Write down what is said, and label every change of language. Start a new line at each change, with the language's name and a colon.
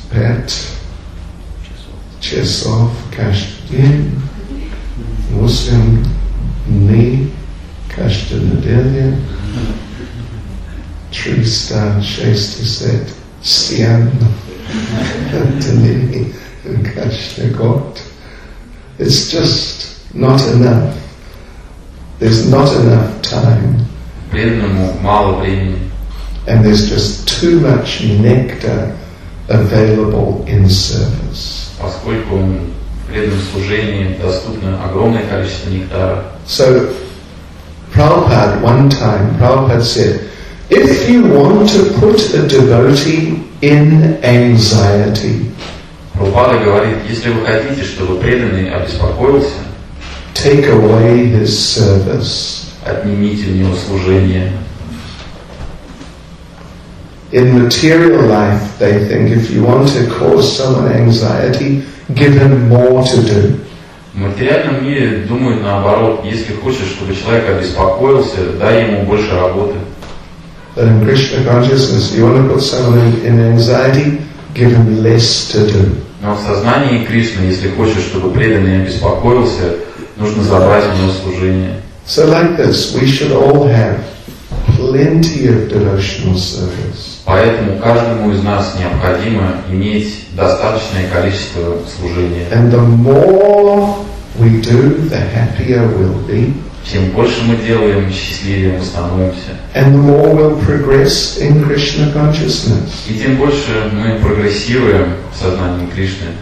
Russian: 25 часов каждый день, 8 дней каждой недели, 360 сиян дней каждый год.
English: It's just not enough. There's not enough time.
Russian: Преданному мало времени.
English: And there's just too much nectar available in service.
Russian: Поскольку в преданном служении доступно огромное количество нектара.
English: So, Prabhupada one time, Prabhupada said, if you want to put a devotee in anxiety,
Russian: Прабхупада говорит, если вы хотите, чтобы преданный обеспокоился,
English: take away his service.
Russian: Отнимите у него служение.
English: In material life, they think if you want to cause someone anxiety, give him more to do.
Russian: В материальном мире думают наоборот, если хочешь, чтобы человек обеспокоился, дай ему больше работы.
English: But in Krishna consciousness, you want to put someone in anxiety, give him less to do.
Russian: Но в сознании Кришны, если хочешь, чтобы преданный обеспокоился, нужно забрать у него служение.
English: So like this, we should all have plenty of devotional service.
Russian: Поэтому каждому из нас необходимо иметь достаточное количество служения.
English: And the more we do, the happier we'll be.
Russian: Чем больше мы делаем, счастливее мы становимся.
English: And the more we'll progress in Krishna consciousness.
Russian: И тем больше мы прогрессируем в сознании Кришны.